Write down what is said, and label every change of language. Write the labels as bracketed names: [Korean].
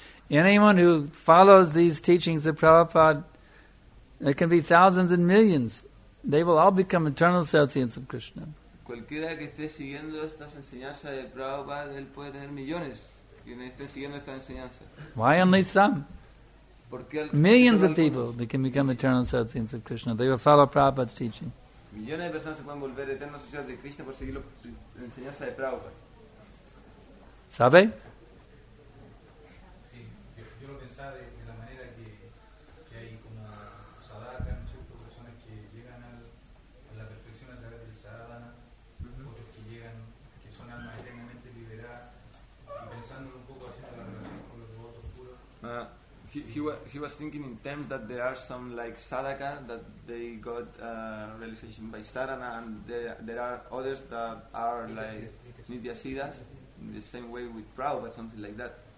[English] Anyone who follows these teachings of Prabhupada, there can be thousands and millions. They will all become eternal associates of Krishna. [Spanish] cualquiera que esté siguiendo estas enseñanzas de Prabhupada, él puede tener millones. Quienes estén siguiendo esta enseñanza. [English] Why only some? Millions of people they can become eternal associates of Krishna. They will follow Prabhupada's teaching. [Spanish] Millones de personas se pueden volver eternos asociados de Krishna por seguir la enseñanza de Prabhupada. ¿Sabe? Sí, yo lo pensaba de la manera que hay como sadhakas, ¿no es cierto? Personas que llegan a la perfección a través del sadhana, otros que llegan, que son almas eternamente liberadas, y pensando un poco haciendo la relación con los devotos puros. [English] He was thinking in terms that there are some like sadhaka that they got realization by sadhana, and there are others that are like nityasiddhas. In the same way with Prabhupada, something like that.